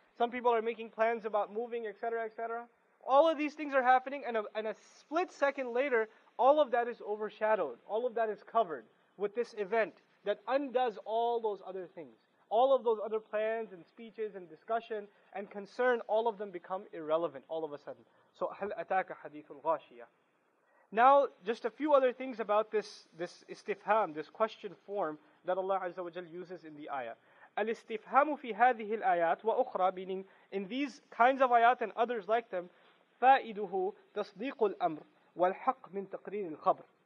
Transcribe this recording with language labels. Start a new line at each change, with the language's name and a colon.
English: Some people are making plans about moving, etc., etc. All of these things are happening, and a split second later, all of that is overshadowed. All of that is covered with this event that undoes all those other things. All of those other plans and speeches and discussion and concern, all of them become irrelevant all of a sudden.
Arabic: So, هَلْ أَتَاكَ حَدِيثُ الْغَاشِيَةِ.
English: Now, just a few other things about this istifham, this question form that Allah Azza wa Jal uses in the ayah.
Arabic: Al-istifhamu fi hadhihi al-ayat wa ukhra,
English: meaning in these kinds of ayat and others like them,
Arabic: fa'iduhu tasdiqu al-amr wal-haq min taqreen al-khabr.